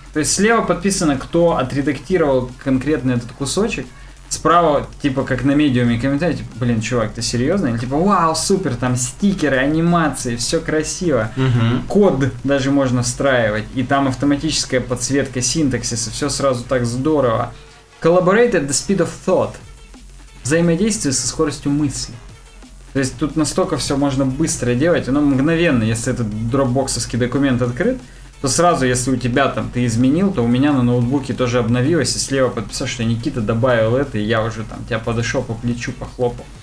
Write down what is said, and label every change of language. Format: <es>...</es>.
<ru>То есть слева подписано, кто отредактировал конкретно этот кусочек. Справа, типа, как на медиуме комментарий, типа, блин, чувак, ты серьезно? Или типа, вау, супер, там стикеры, анимации, все красиво. Угу. Код даже можно встраивать. И там автоматическая подсветка синтаксиса, все сразу так здорово.</ru> <en>Collaborate at the speed of thought.</en> <ru>Взаимодействие со скоростью мысли. То есть тут настолько все можно быстро делать, оно мгновенно, если этот дропбоксовский документ открыт, то сразу, если у тебя там ты изменил, то у меня на ноутбуке тоже обновилось, и слева подписал, что Никита добавил это, и я уже там тебя подошел по плечу, похлопал.</ru>